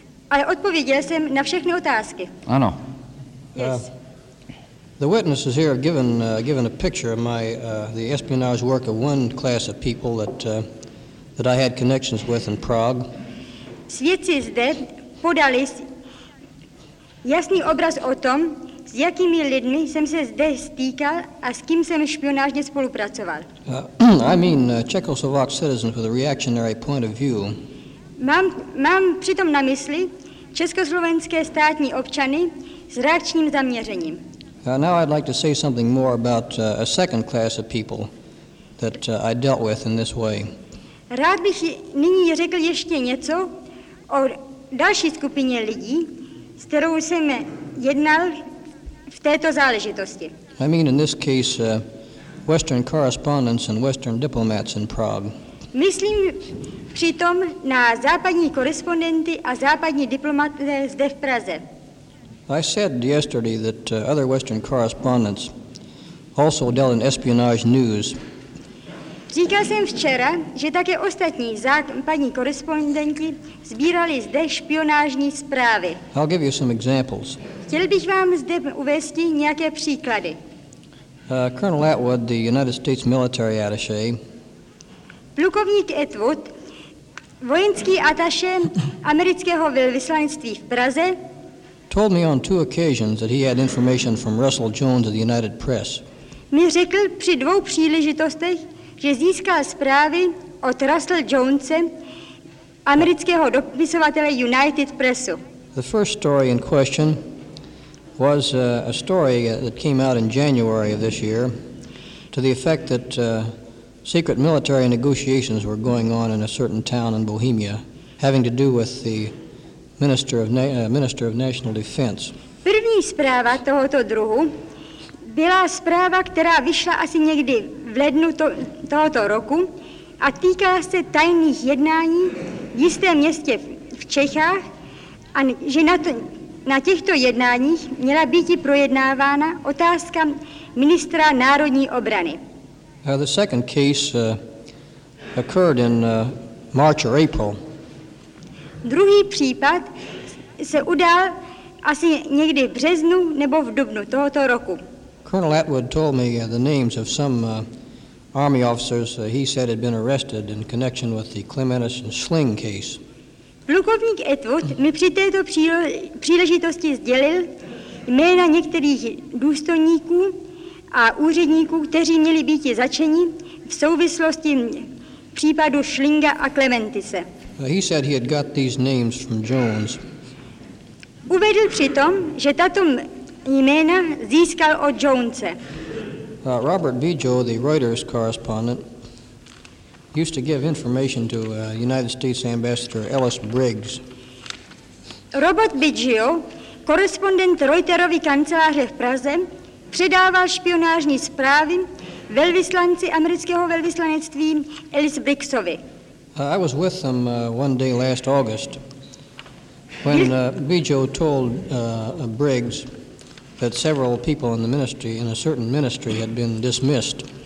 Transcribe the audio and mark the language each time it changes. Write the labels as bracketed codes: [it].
[cs] A odpověděl jsem na všechny otázky. Ano. [en] Yes. The witnesses here have given a picture of my the espionage work of one class of people that I had connections with in Prague. [cs] Svědci zde podali jasný obraz o tom, s jakými lidmi jsem se zde stýkal a s kým jsem špionážně spolupracoval. [en] Czechoslovak citizens with a reactionary point of view. [cs] Mám přitom na mysli československé státní občany s reakčním zaměřením. [en] Now I'd like to say something more about a second class of people that I dealt with in this way. [cs] Rád bych nyní řekl ještě něco o další skupině lidí, s kterou jsem jednal v této záležitosti. [en] I mean in this case Western correspondents and Western diplomats in Prague. [cs] Myslím přitom na západní korespondenty a západní diplomaty zde v Praze. [en] I said yesterday that other Western correspondents also dealt in espionage news. [cs] Říkal jsem včera, že také ostatní západní korespondenti sbírali zde špionážní zprávy. [en] I'll give you some examples. [cs] Chtěl bych vám zde uvést nějaké příklady. [en] Colonel Atwood, the United States military attaché. [cs] Plukovník Atwood, vojenský ataše amerického velvyslanectví v Praze, [en] told me on two occasions that he had information from Russell Jones of the United Press. [cs] Mi řekl při dvou příležitostech, že získal zprávy od Russell Jonese, amerického dopisovatele United Pressu. [en] The first story in question was a story that came out in January of this year to the effect that secret military negotiations were going on in a certain town in Bohemia having to do with the Minister of National Defense. [cs] První zpráva tohoto druhu byla zpráva, která vyšla asi někdy v lednu tohoto roku a týkala se tajných jednání v jistém městě v Čechách a že na těchto jednáních měla být projednávána otázka ministra národní obrany. [en] The second case occurred in March or April. [cs] Druhý případ se udál asi někdy v březnu nebo v dubnu tohoto roku. [en] Colonel Atwood told me the names of some army officers he said had been arrested in connection with the Clematis and Sling case. [cs] Plukovník Atwood mi při této příležitosti sdělil jména některých důstojníků a úředníků, kteří měli být zatčeni v souvislosti případu Schlinga a Clementise. [en] He said he had got these names from Jones. [cs] Uvedl přitom, že tato jména získal od Jonese. [en] Robert Bijo, the Reuters correspondent, used to give information to United States Ambassador Ellis Briggs. [cs] Robert Bijo, korespondent Reuterovy kanceláře v Praze, předával špionážní zprávy velvyslanci amerického velvyslanectví Ellis Briggsovi. [en] I was with them one day last August when Bijo told Briggs that several people in the ministry, in a certain ministry, had been dismissed.